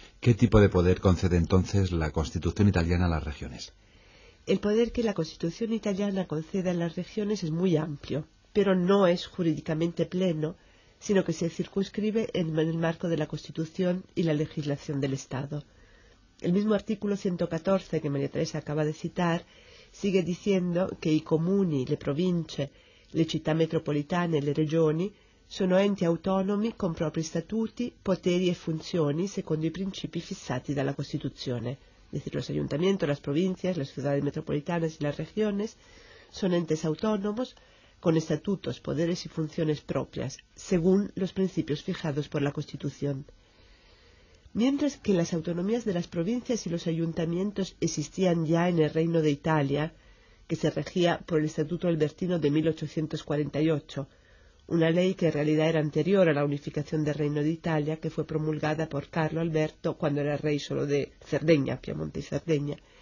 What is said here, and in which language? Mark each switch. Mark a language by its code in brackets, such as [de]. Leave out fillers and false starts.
[es] ¿Qué tipo de poder concede entonces la Constitución italiana a las regiones? El poder que la Constitución italiana concede a las regiones es muy amplio, pero no es jurídicamente pleno, sino que se circunscribe en el marco de la Constitución y la legislación del Estado. El mismo artículo 114 que María Teresa acaba de citar sigue diciendo que [it] i comuni, le province, le città metropolitane e le regioni sono enti autonomi con propri statuti, poteri e funzioni secondo i principi fissati dalla Costituzione. [es] Es decir, los ayuntamientos, las provincias, las ciudades metropolitanas y las regiones son entes autónomos con estatutos, poderes y funciones propias, según los principios fijados por la Constitución. Mientras que las autonomías de las provincias y los ayuntamientos existían ya en el Reino de Italia, que se regía por el Estatuto Albertino de 1848, una ley que en realidad era anterior a la unificación del Reino de Italia, que fue promulgada por Carlo Alberto cuando era rey solo de Cerdeña, Piamonte y Cerdeña.